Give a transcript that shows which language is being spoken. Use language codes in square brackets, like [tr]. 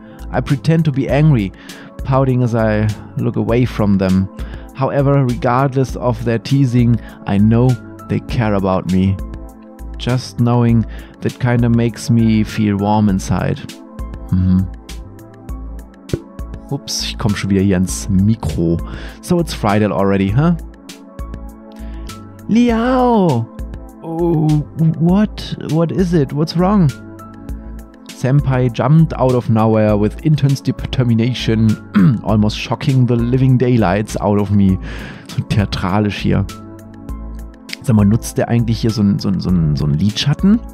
[en] I pretend to be angry, pouting as I look away from them. However, regardless of their teasing, I know they care about me. Just knowing that kinda makes me feel warm inside. [de] Ups, ich komm schon wieder hier ans Mikro. [en] So it's Friday already, huh? Liao! What is it? What's wrong? Senpai jumped out of nowhere with intense determination, almost shocking the living daylights out of me. [de] So theatralisch hier. Sag mal, nutzt der eigentlich hier so einen Lidschatten?